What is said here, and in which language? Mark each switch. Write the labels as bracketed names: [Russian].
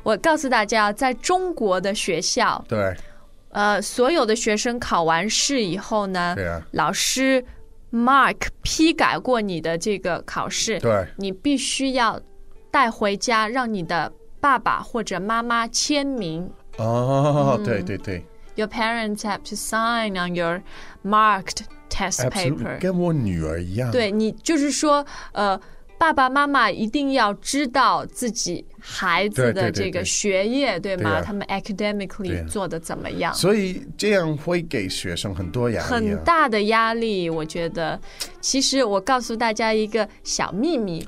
[Chinese] 我告诉大家在中国的学校对、所有的学生考完试以后呢、老师 Mark 批改过你的这个考试对你必须要带回家让你的爸爸或者妈妈签名哦、对对对 [English] Your parents have to sign on your marked test paper. Absolutely, [Chinese] 跟我女儿一样。对，你就是说，爸爸妈妈一定要知道自己孩子的这个学业，对吗？他们 academically 做得怎么样？所以这样会给学生很多压力，很大的压力。我觉得，其实我告诉大家一个小秘密，